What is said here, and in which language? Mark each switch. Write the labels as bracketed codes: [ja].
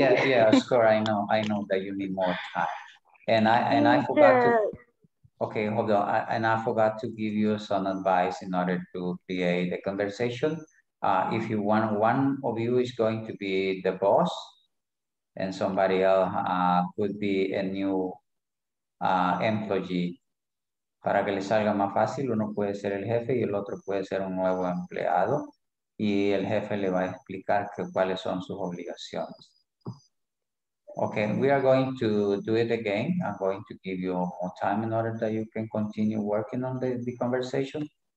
[en] Yeah, score. I know that you need more time. And I forgot to Okay, hold on. And I forgot to give you some advice in order to create the conversation. If you want, one of you is going to be the boss and somebody else could be a new employee. [es] Para que le salga más fácil, uno puede ser el jefe y el otro puede ser un nuevo empleado. Y el jefe le va a explicar que, cuáles son sus obligaciones. [en] Okay, we are going to do it again. I'm going to give you more time in order that you can continue working on the conversation.